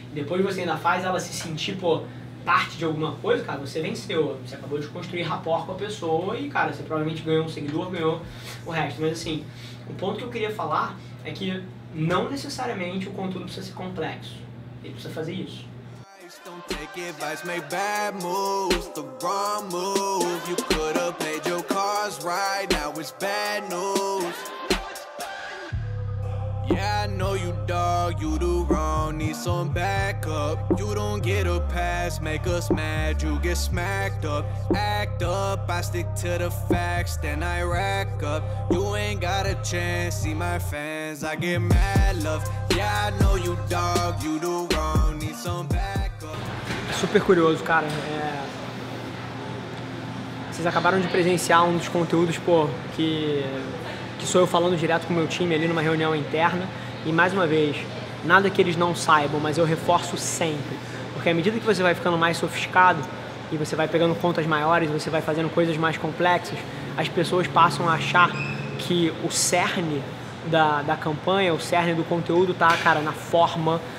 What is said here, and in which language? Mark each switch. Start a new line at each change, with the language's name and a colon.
Portuguese: Depois você ainda faz ela se sentir, pô, parte de alguma coisa, cara, você venceu. Você acabou de construir rapport com a pessoa e, cara, você provavelmente ganhou um seguidor, ganhou o resto. Mas, assim, o ponto que eu queria falar é que não necessariamente o conteúdo precisa ser complexo. Ele precisa fazer isso.
English: Don't take advice, make bad moves, the wrong move. You could have played your cards right, now it's bad news. Yeah, I know you, dog, you do wrong, need some backup. You don't get a pass, make us mad, you get smacked up. Act up, I stick to the facts, then I rack up. You ain't got a chance, see my fans, I get mad love. Yeah, I know you, dog, you do wrong, need some backup.
Portuguese: Super curioso, cara. Vocês acabaram de presenciar um dos conteúdos, pô, que sou eu falando direto com o meu time ali numa reunião interna. E mais uma vez, nada que eles não saibam, mas eu reforço sempre. Porque à medida que você vai ficando mais sofisticado e você vai pegando contas maiores, você vai fazendo coisas mais complexas, as pessoas passam a achar que o cerne da campanha, o cerne do conteúdo tá, cara, na forma.